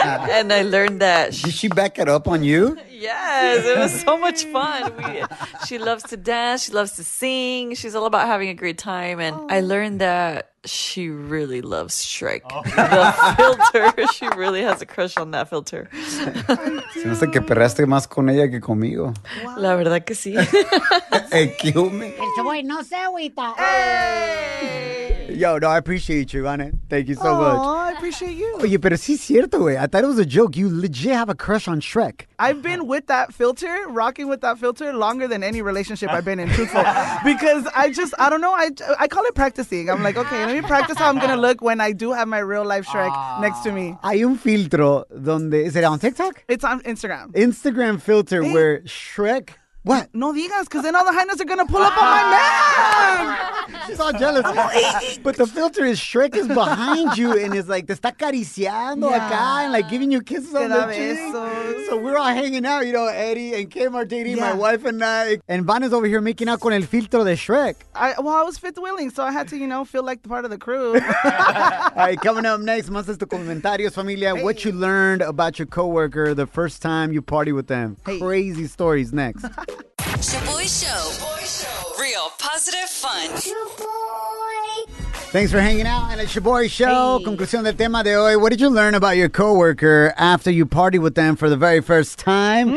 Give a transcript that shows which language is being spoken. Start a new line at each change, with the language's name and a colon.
English: And I learned that. Did she back it up on you? Yes, it was so much fun. She loves to dance. She loves to sing. She's all about having a great time. And I learned that she really loves Shrek. Oh. The filter. She really has a crush on that filter.
Spanish: Se me hace que perraste más con ella que conmigo. La verdad que sí. Equiume. El chavo no se agüita.
English: Yo, no, I appreciate you, Vane. Thank you so much. Oh, I appreciate you.
Spanish: Oye, pero sí es cierto, güey.
English: I thought it was a joke. You legit have a crush on Shrek. I've been with that filter, rocking with that filter, longer than any relationship I've been in, truthful. Because I just, I don't know, I call it practicing. I'm like, okay, let me practice how I'm going to look when I do have my real life Shrek next to me.
Spanish: Hay un filtro donde,
English: is it on TikTok? It's on Instagram. Instagram filter where Shrek... What?
Spanish: No digas,
English: because then all the hyenas are going to pull up on my man. She's all jealous. But the filter is Shrek is behind you and is like,
Spanish: te está acariciando acá
English: and like giving you kisses on the cheek. So we're all hanging out, you know, Eddie and Kim are dating my wife and I. And Vanna's over here making out
Spanish: con el filtro de Shrek.
English: I was fifth wheeling, so I had to, you know, feel like part of the crew. All right, coming up next,
Spanish: más estos comentarios, familia.
English: Hey. What you learned about your coworker the first time you party with them. Hey. Crazy stories next. Shaboy Show. Shaboy Show. Real positive fun. Shaboy. Thanks for hanging out and it's Shaboy Show. Hey.
Spanish: Conclusión del tema de hoy.
English: What did you learn about your coworker after you party with them for the very first time?